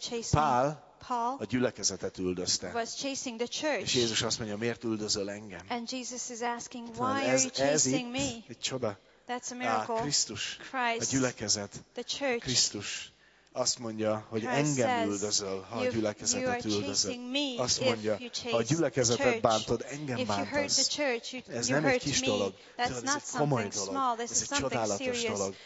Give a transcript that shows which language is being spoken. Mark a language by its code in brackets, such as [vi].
[hu] Pál a gyülekezetet üldözte. És Jézus azt mondja, miért üldözöl engem? [en] And Jesus is asking, why are you chasing me? [hu] Egy csoda. [en] That's a miracle. [hu] Krisztus. [en] Christ, [hu] a gyülekezet. [en] The church. [hu] Krisztus azt mondja, hogy Christ engem üldözöl, ha a gyülekezetet üldözöl. Azt mondja, ha a gyülekezetet bántod, engem bántasz. Ez nem egy kis dolog. Ez egy komoly dolog. Ez egy csodálatos dolog.